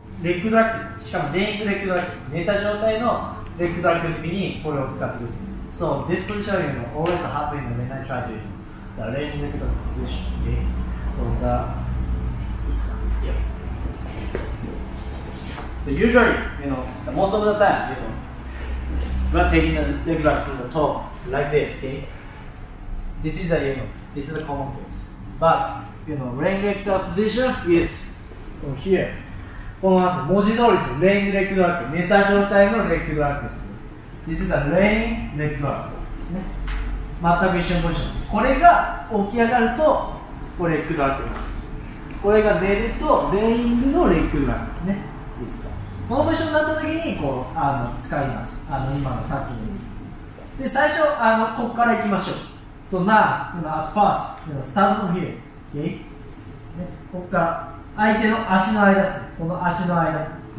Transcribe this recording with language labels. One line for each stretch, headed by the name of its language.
Japanese: レッグドラッグ、しかもレイングレッグドラッグです。寝た状態のレッグドラッグの時にこれを使ってください。
English: So, this position is always happening when I try to do the laying leg position. So, the... this one, yes. So usually, you know, the most of the time, you know, we are taking the leg drive to the top like this, okay? This is a, you know, this is a common case. But, you know, laying leg position is from here.
Japanese: この話、文字通りです。
English: Laying leg drive、
Japanese: 寝た状態のレッグドラッグです。
English: This is a laying leg drop
Japanese: ですね。全く一緒のポジション。これが起き上がると、これレッグドラッグなんです。これが寝ると、レイングのレッグドラッグですね。いいですか。このポジションになった時に、こう、使います。今のさっきの。で、最初、ここから行きましょう。
English: So now, you know, at first, you know, start from here. Okay?
Japanese: ですね。ここから、相手の足の間ですね。この足の間。